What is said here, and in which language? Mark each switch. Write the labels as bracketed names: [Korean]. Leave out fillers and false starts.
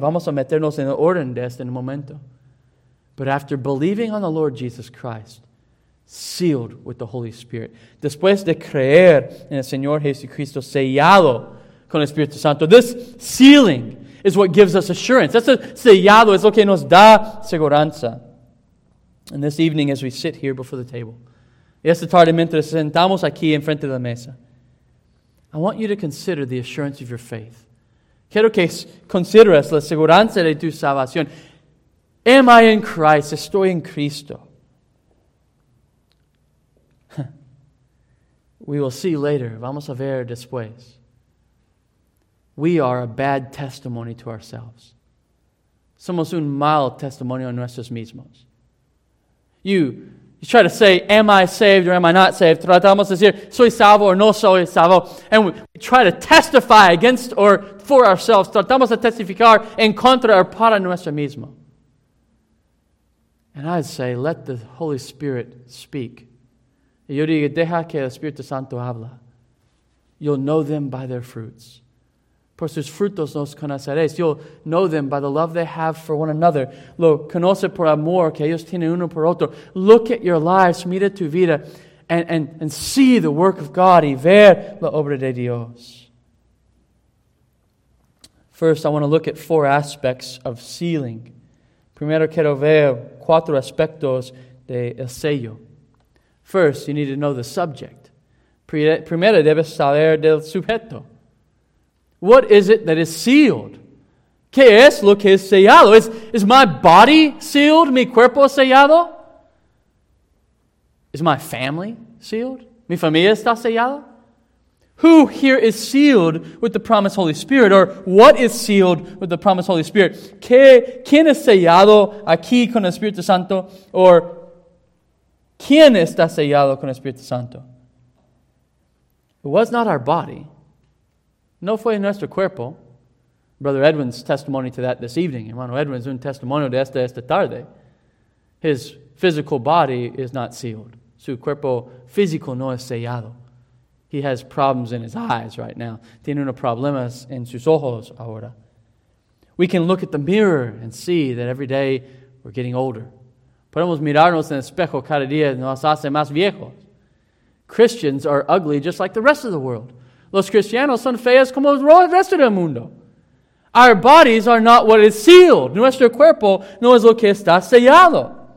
[Spanish] Vamos a meternos en el orden de este en un momento. [English] But after believing on the Lord Jesus Christ, sealed with the Holy Spirit. [Spanish] Después de creer en el Señor Jesucristo, sellado con el Espíritu Santo. [English] This sealing is what gives us assurance. That's a sellado, [Spanish] es lo que nos da seguridad. [English] And this evening as we sit here before the table, [Spanish] y esta tarde mientras sentamos aquí en frente de la mesa, [English] I want you to consider the assurance of your faith. [Spanish] Quiero que consideres la seguridad de tu salvación. [English] Am I in Christ? [Spanish] Estoy en Cristo. [English] We will see later. [Spanish] Vamos a ver después. [English] We are a bad testimony to ourselves. [Spanish] Somos un mal testimonio a nuestros mismos. [English] You try to say, am I saved or am I not saved? [Spanish] Tratamos de decir, soy salvo or no soy salvo. [English] And we try to testify against or for ourselves. [Spanish] Tratamos de testificar en contra or para nuestro mismo. [English] And I'd say, let the Holy Spirit speak. [Spanish] Y yo digo, deja que el Espíritu Santo habla. [English] You'll know them by their fruits. [Spanish] Por sus frutos los conoceréis. [English] You'll know them by the love they have for one another. [Spanish] Lo conoce por amor que ellos tienen uno por otro. [English] Look at your lives, [Spanish] mira tu vida, [English] and see the work of God [Spanish] y ver la obra de Dios. [English] First, I want to look at four aspects of sealing. [Spanish] Primero, quiero ver cuatro aspectos de el sello. [English] First, you need to know the subject. [Spanish] Primero, debes saber del sujeto. [English] What is it that is sealed? [Spanish] ¿Qué es lo que es sellado? [English] Is my body sealed? [Spanish] ¿Mi cuerpo sellado? [English] Is my family sealed? [Spanish] ¿Mi familia está sellada? [English] Who here is sealed with the promised Holy Spirit? Or what is sealed with the promised Holy Spirit? [Spanish] ¿Quién es sellado aquí con el Espíritu Santo? Or ¿quién está sellado con el Espíritu Santo? [English] It was not our body. [Spanish] No fue nuestro cuerpo. [English] Brother Edwin's testimony to that this evening. [Spanish] Hermano Edwin's un testimonio de esta tarde. [English] His physical body is not sealed. [Spanish] Su cuerpo físico no es sellado. [English] He has problems in his eyes right now. [Spanish] Tiene unos problemas en sus ojos ahora. [English] We can look at the mirror and see that every day we're getting older. [Spanish] Podemos mirarnos en el espejo cada día nos hace más viejos. [English] Christians are ugly just like the rest of the world. [Spanish] Los cristianos son feos como el resto del mundo. [English] Our bodies are not what is sealed. [Spanish] Nuestro cuerpo no es lo que está sellado.